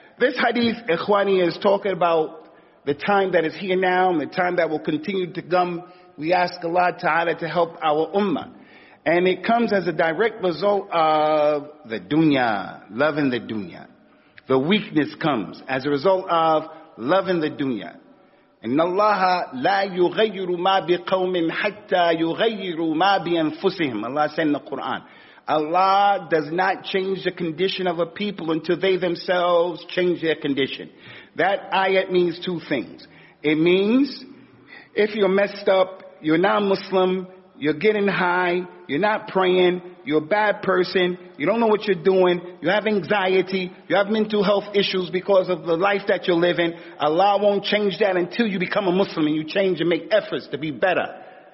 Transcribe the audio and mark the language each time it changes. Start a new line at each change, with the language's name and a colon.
English: This hadith, Ikhwani, is talking about the time that is here now and the time that will continue to come. We ask Allah Ta'ala to help our ummah. And it comes as a direct result of the dunya, loving the dunya. The weakness comes as a result of loving the dunya.
Arabic: إن الله لا يغير ما بقوم حتى يغيروا ما بأنفسهم.
English: Allah said in the Quran, Allah does not change the condition of a people until they themselves change their condition. That ayat means 2 things. It means if you're messed up, you're non-Muslim, you're getting high, you're not praying, you're a bad person, you don't know what you're doing, you have anxiety, you have mental health issues because of the life that you're living, Allah won't change that until you become a Muslim and you change and make efforts to be better.